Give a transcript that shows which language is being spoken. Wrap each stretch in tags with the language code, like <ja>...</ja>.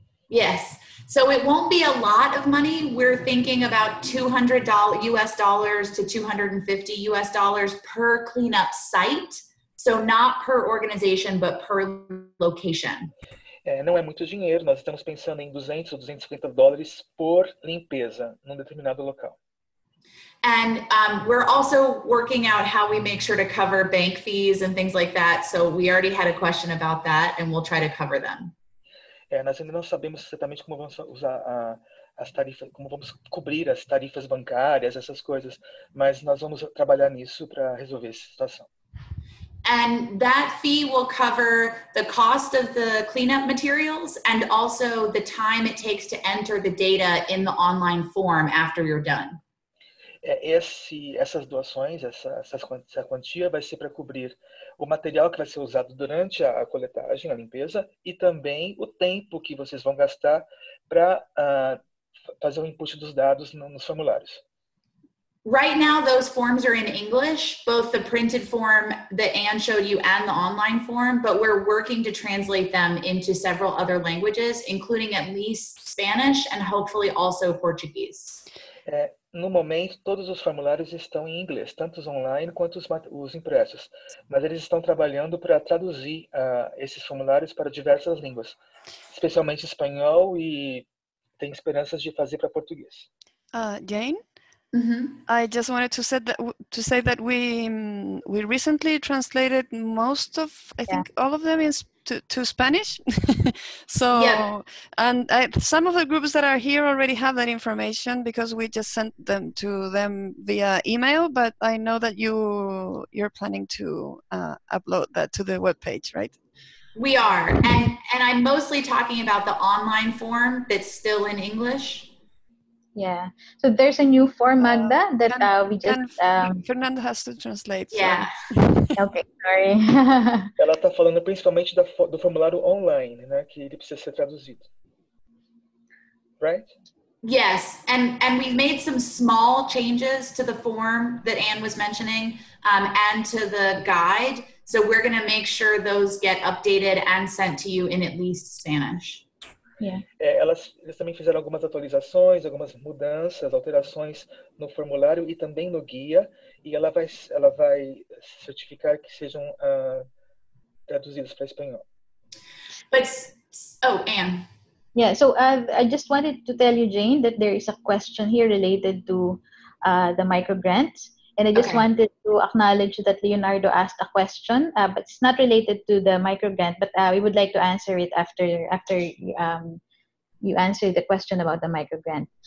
<en>Yes. So it won't be a lot of money. We're thinking about $200 to $250 per cleanup site. So not per organization, but per location.</en> <pt>É, não é muito dinheiro. Nós estamos pensando em $200 or $250 por limpeza num determinado local.</pt> <en>And we're also working out how we make sure to cover bank fees and things like that. So we already had a question about that and we'll try to cover them.</en> <pt>É, nós ainda não sabemos exatamente como vamos usar as tarifas, como vamos cobrir as tarifas bancárias, essas coisas, mas nós vamos trabalhar nisso para resolver essa situação.</pt> <en>And that fee will cover the cost of the cleanup materials and also the time it takes to enter the data in the online form after you're done.</en> <pt>É, essas doações, essa quantia vai ser para cobrir o material que vai ser usado durante a coletagem, a limpeza, e também o tempo que vocês vão gastar para fazer o input dos dados nos formulários.</pt> <en>Right now, those forms are in English, both the printed form that Anne showed you and the online form, but we're working to translate them into several other languages, including at least Spanish and hopefully also Portuguese.</en> <pt>É, no momento, todos os formulários estão em inglês, tanto os online quanto os impressos. Mas eles estão trabalhando para traduzir esses formulários para diversas línguas, especialmente espanhol, e tem esperanças de fazer para português.</pt> <en>Jane? Mm-hmm. I just wanted to say that, we recently translated most of, think all of them to Spanish. So, yeah. And some of the groups that are here already have that information because we just sent them to them via email, but I know that you're planning to upload that to the webpage, right? We are, and I'm mostly talking about the online form that's still in English. Yeah, so there's a new form, Magda, that Fernando has to translate. Yeah. So. Okay, sorry.</en> <pt>Ela está falando principalmente do formulário online, né, que ele precisa ser traduzido.</pt> <en>Right? Yes, and we've made some small changes to the form that Anne was mentioning and to the guide. So we're going to make sure those get updated and sent to you in at least Spanish. Yeah.</en> <pt>Elas também fizeram algumas atualizações, algumas mudanças, alterações no formulário e também no guia, e ela vai certificar que sejam traduzidos para espanhol.</pt> <en>Anne. Yeah, so I just wanted to tell you, Jane, that there is a question here related to the microgrant, and I just wanted to acknowledge that Leonardo asked a question, but it's not related to the microgrant, but we would like to answer it after you answer the question about the microgrant.</en>